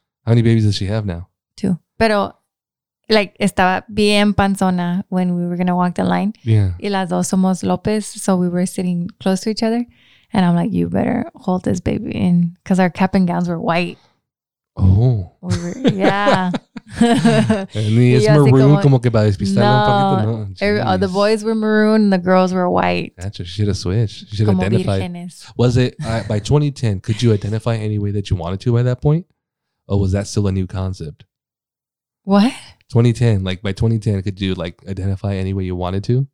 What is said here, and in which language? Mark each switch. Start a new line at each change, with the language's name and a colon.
English: How many babies does she have now? Two. Pero, like,
Spanish: estaba bien panzona
English: when we were going to walk the line. Yeah.
Spanish: Y las dos somos López,
English: so we were sitting close to each other. And I'm like, you better hold this baby in, because our cap and gowns were white. Oh. Yeah.
Spanish: Es maroon, como que para despistarlo un poquito, ¿no?
English: The boys were maroon, the girls were white. Gotcha. She should have switched. She should have identified.
Spanish: Virgenes.
English: Was it by 2010, could you identify any way that you wanted to by that point? Or was that still a new concept? What? 2010, like by 2010, could you like identify any way you wanted to?